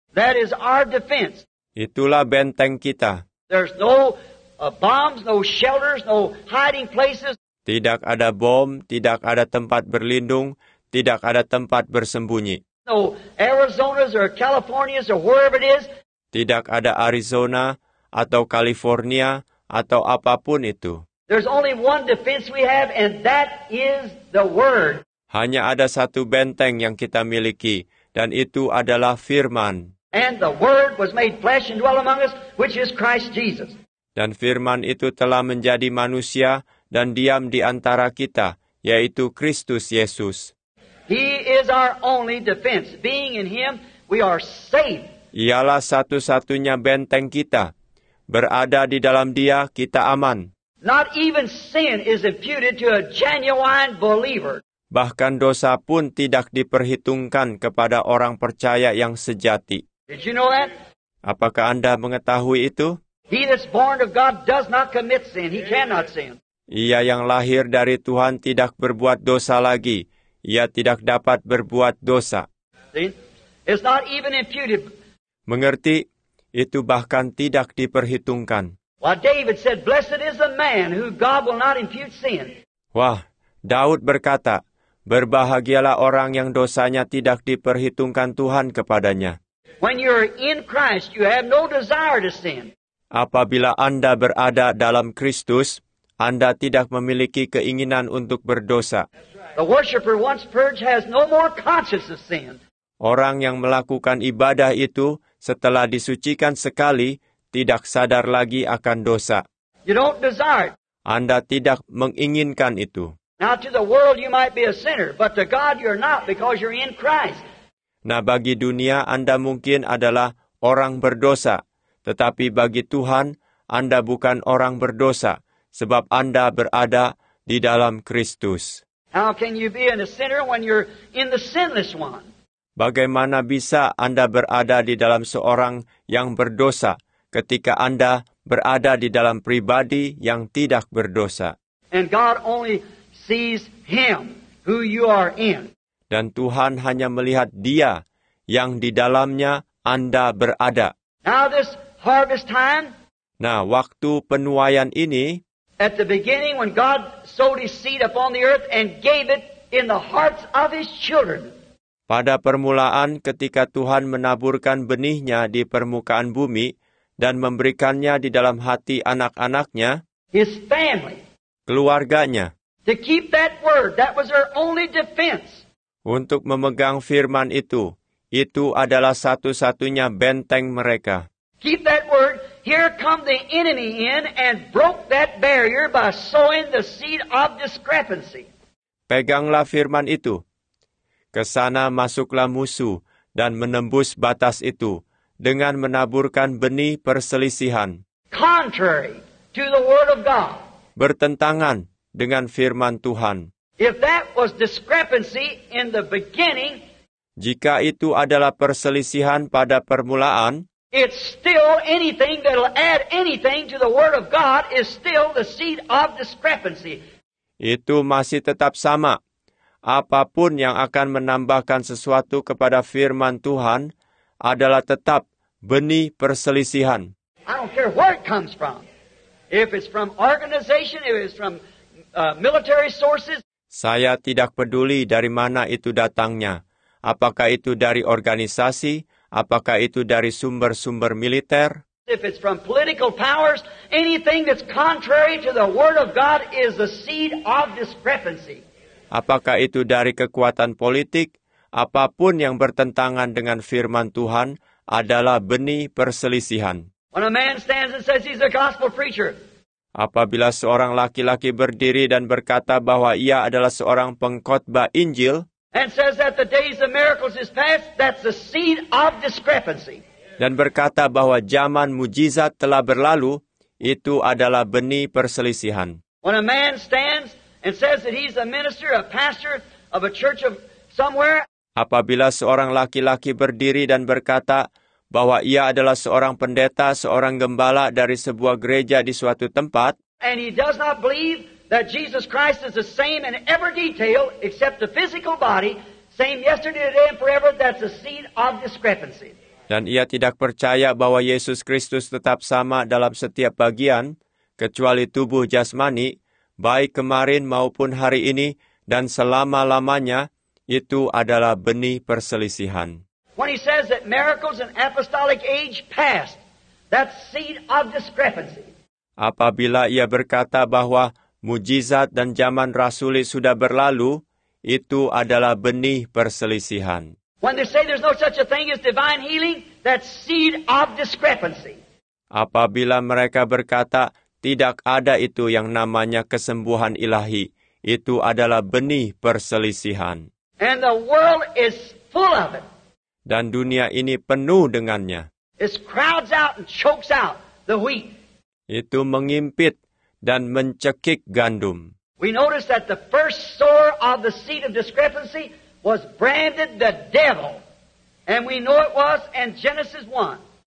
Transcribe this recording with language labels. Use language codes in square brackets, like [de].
[en] That is our defense. [id] Itulah benteng kita. [en] There's no bombs, no shelters, no hiding places. [id] Tidak ada bom, tidak ada tempat berlindung, tidak ada tempat bersembunyi. [en] No Arizona's or California's or wherever it is. [id] Tidak ada Arizona atau California atau apapun itu. [en] There's only one defense we have, and that is the word. [id] Hanya ada satu benteng yang kita miliki, dan itu adalah firman. [en] And the word was made flesh and dwelt among us, which is Christ Jesus. [id] Dan firman itu telah menjadi manusia dan diam di antara kita, yaitu Kristus Yesus. [en] He is our only defense. Being in him, we are safe. [id] Ialah satu-satunya benteng kita. Berada di dalam dia, kita aman. [en] Not even sin is imputed to a genuine believer. [id] Bahkan dosa pun tidak diperhitungkan kepada orang percaya yang sejati. [en] Did you know that? [id] Apakah Anda mengetahui itu? [en] He that's born of God does not commit sin. He cannot sin. [id] Ia yang lahir dari Tuhan tidak berbuat dosa lagi. Ia tidak dapat berbuat dosa. [en] It's not even imputed. [id] Mengerti? Itu bahkan tidak diperhitungkan. [en] Well, David said, "Blessed is the man who God will not impute sin." [id] Wah, Daud berkata, "Berbahagialah orang yang dosanya tidak diperhitungkan Tuhan kepadanya." [en] When you're in Christ, you have no desire to sin. [id] Apabila Anda berada dalam Kristus, Anda tidak memiliki keinginan untuk berdosa. [en] The worshipper once purged has no more conscience of sin. [id] Orang yang melakukan ibadah itu setelah disucikan sekali tidak sadar lagi akan dosa. [en] You don't desire it. [id] Anda tidak menginginkan itu. [en] Now to the world you might be a sinner, but to God you're not because you're in Christ. [id] Nah, bagi dunia Anda mungkin adalah orang berdosa, tetapi bagi Tuhan Anda bukan orang berdosa, sebab Anda berada di dalam Kristus. [en] How can you be in a sinner when you're in the sinless one? [id] Bagaimana bisa Anda berada di dalam seorang yang berdosa ketika Anda berada di dalam pribadi yang tidak berdosa? [en] And God only sees him who you are in. [id] Dan Tuhan hanya melihat dia yang di dalamnya Anda berada. [en] Now this harvest time. [id] Nah, waktu penuaian ini. [en] At the beginning, when God sowed his seed upon the earth and gave it in the hearts of his children. [id] Pada permulaan, ketika Tuhan menaburkan benihnya di permukaan bumi dan memberikannya di dalam hati anak-anaknya, [en] his family, [id] keluarganya, [en] to keep that word, that was their only defense. [id] Untuk memegang firman itu adalah satu-satunya benteng mereka. [en] Keep that word. Here come the enemy in and broke that barrier by sowing the seed of discrepancy. [id] Peganglah firman itu. Kesana masuklah musuh dan menembus batas itu dengan menaburkan benih perselisihan. [en] Contrary to the word of God. [id] Bertentangan dengan firman Tuhan. [en] If that was discrepancy in the beginning, [id] jika itu adalah perselisihan pada permulaan, [en] it's still anything that'll add anything to the word of God is still the seed of discrepancy. [id] Itu masih tetap sama. Apapun yang akan menambahkan sesuatu kepada firman Tuhan adalah tetap benih perselisihan. [en] I don't care where it comes from. If it's from organization, if it's from military sources. [id] Saya tidak peduli dari mana itu datangnya. Apakah itu dari organisasi? Apakah itu dari sumber-sumber militer? [en] If it's from political powers, anything that's contrary to the word of God is the seed of discrepancy. [id] Apakah itu dari kekuatan politik? Apapun yang bertentangan dengan firman Tuhan adalah benih perselisihan. [en] When a man stands and says he's a gospel preacher. [id] Apabila seorang laki-laki berdiri dan berkata bahwa ia adalah seorang pengkhotbah Injil, [en] and says that the days of miracles is past, that's the seed of discrepancy. [id] Dan berkata bahwa zaman mujizat telah berlalu, itu adalah benih perselisihan. [en] When a man stands and says that he's a minister, a pastor of a church of somewhere, [id] apabila seorang laki-laki berdiri dan berkata bahwa ia adalah seorang pendeta, seorang gembala dari sebuah gereja di suatu tempat, [en] and he does not believe that Jesus Christ is the same in every detail except the physical body, same yesterday, today, and forever, that's a seed of discrepancy. [id] Dan ia tidak percaya bahwa Yesus Kristus tetap sama dalam setiap bagian, kecuali tubuh jasmani, baik kemarin maupun hari ini, dan selama-lamanya, itu adalah benih perselisihan. [en] When he says that miracles in apostolic age passed, that's seed of discrepancy. [id] Apabila ia berkata bahwa mujizat dan zaman rasuli sudah berlalu, itu adalah benih perselisihan. [en] When they say there's no such a thing as divine healing, that's seed of discrepancy. [id] Apabila mereka berkata tidak ada itu yang namanya kesembuhan ilahi, itu adalah benih perselisihan. [en] And the world is full of it. [id] Dan dunia ini penuh dengannya. [en] It crowds out and chokes out the wheat. [id] Itu mengimpit dan mencekik gandum. [en] We notice that the first sower of the seed of discrepancy was branded the devil. And we know it was in Genesis 1.